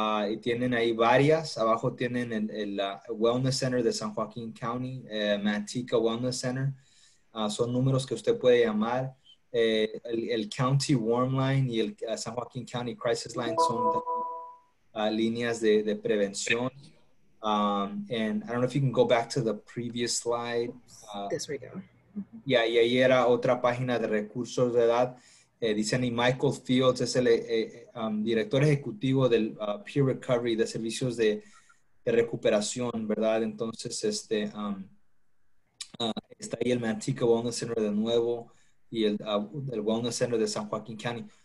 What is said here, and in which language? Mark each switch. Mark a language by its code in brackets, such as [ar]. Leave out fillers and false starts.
[es] Y tienen ahí varias. Abajo tienen el Wellness Center de San Joaquin County, Manteca Wellness Center. Son números que usted puede llamar. El County Warm Line y el San Joaquin County Crisis Line son líneas de prevención. [en] And I don't know if you can go back to the previous slide. This we go. [es] Yeah, y ahí era otra página de recursos de edad. Dicen, y Michael Fields es el director ejecutivo del Peer Recovery, de servicios de recuperación, ¿verdad? Entonces, está ahí el Manteca Wellness Center de nuevo y el Wellness Center de San Joaquin County.